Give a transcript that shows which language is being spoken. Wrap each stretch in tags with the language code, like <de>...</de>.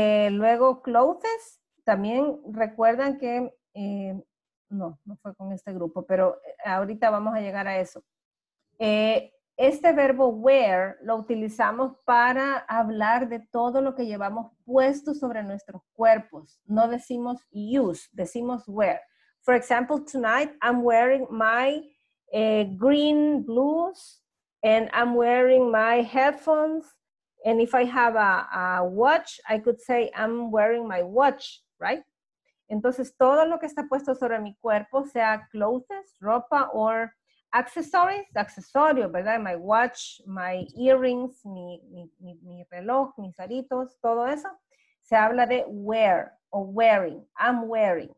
<es>Luego, clothes, también recuerdan que, no fue con este grupo, pero ahorita vamos a llegar a eso. Este verbo wear lo utilizamos para hablar de todo lo que llevamos puesto sobre nuestros cuerpos. No decimos use, decimos wear.</es> <en>For example, tonight I'm wearing my green blues, and I'm wearing my headphones, and if I have a watch, I could say I'm wearing my watch, right?</en> <es>Entonces, todo lo que está puesto sobre mi cuerpo, sea clothes, ropa, or accessories, accesorios, ¿verdad?</es> <en>My watch, my earrings,</en> <es>mi reloj, mis aritos, todo eso. Se habla de wear o wearing.</es> <en>I'm wearing.</en>